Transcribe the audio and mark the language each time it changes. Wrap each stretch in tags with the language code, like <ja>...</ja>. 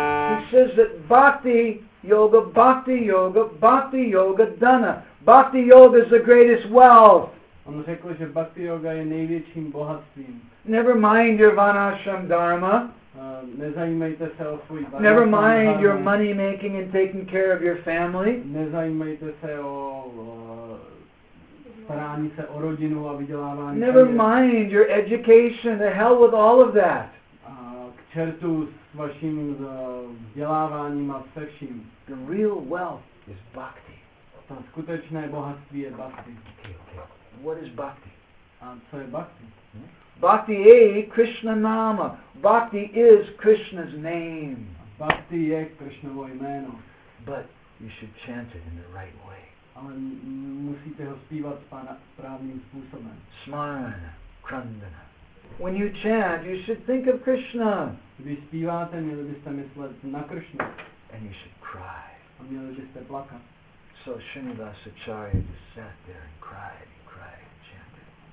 <en>He says that Bhakti Yoga, Bhakti Yoga, Bhakti Yoga, Dhamma. Bhakti Yoga is the greatest wealth.</en> <cs>On řekl, že Bhakti Yoga je největším bohatstvím.</cs> <en>Never mind your vanashram dharma.</en> <cs>Nezajímejte se o svůj vanashram.</cs> <en>Never mind dharma. Your money making and taking care of your family.</en> <cs>Nezajímejte se o starání se o rodinu a vydělávání.</cs> <en>Never mind your education. The hell with all of that.</en> <cs>K čertu s vaším vzděláváním a se vším.</cs> <en>The real wealth is bhakti.</en> <cs>Skutečné bohatství je bhakti.</cs> <en>What is bhakti?</en> <cs>A co je bhakti? Bhakti je Krishna nama.</cs> <en>Bhakti is Krishna's name.</en> <cs>Bhakti je Krishnovo jméno.</cs> <en>But you should chant it in the right way.</en> <cs>Ale musíte ho zpívat správným způsobem.</cs> <sa>Smarana, krandana.</sa> <en>When you chant, you should think of Krishna.</en> <cs>Když zpíváte, měli byste myslet na Krishna.</cs> <en>And you should cry.</en> <cs>A měli byste plakat.</cs> <en>So Srinivas Acharya just sat there and cried and cried and chanted.</en>